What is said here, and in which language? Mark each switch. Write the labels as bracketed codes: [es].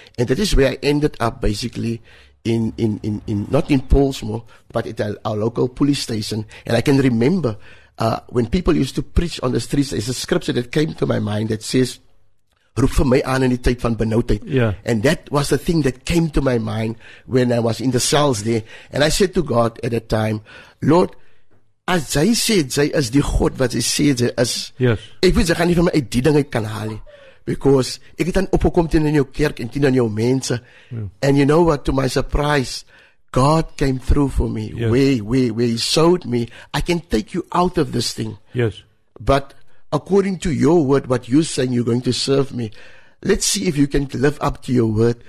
[en] And that is where I ended up basically in not in Paulsmoor, but at our local police station. And I can remember when people used to preach on the streets, there's a scripture that came to my mind that says, [af] "Roep vir my aan in die tyd van benoudheid." [en] And that was the thing that came to my mind when I was in the cells there. And I said to God at that time, "Lord, [af] as jy sê jy is die God wat jy sê jy is, ek weet jy gaan nie vir my uit die ding uit kan haal nie. Because ek het dan opgekom teen in jou kerk en teen in jou mense." [en] And you know what? To my surprise, God came through for me. Yes. Where he showed me, "I can take you out of this thing." Yes. "But according to your word, what you're saying, you're going to serve me. Let's see if you can live up to your word."